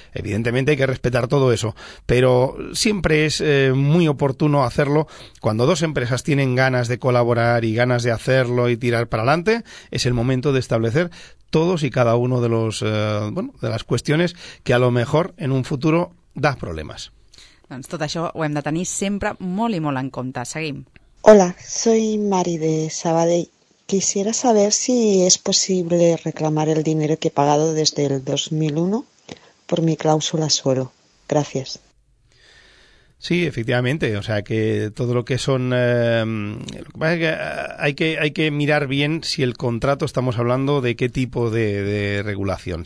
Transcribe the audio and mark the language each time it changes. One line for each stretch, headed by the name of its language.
Spanish: Evidentemente hay que respetar todo eso, pero siempre es muy oportuno hacerlo. Cuando dos empresas tienen ganas de colaborar y ganas de hacerlo y tirar para adelante, es el momento de establecer todos y cada uno de los de las cuestiones que a lo mejor en un futuro da problemas.
Catalan: Doncs tot això ho hem de tenir sempre molt i molt en compte. Seguim.
Spanish: Hola, soy Mari de Sabadell. Quisiera saber si es posible reclamar el dinero que he pagado desde el 2001 por mi cláusula suelo. Gracias. Sí, efectivamente. O sea, que todo lo que son... lo que pasa es que hay que mirar bien si el contrato, estamos hablando de qué tipo de regulación.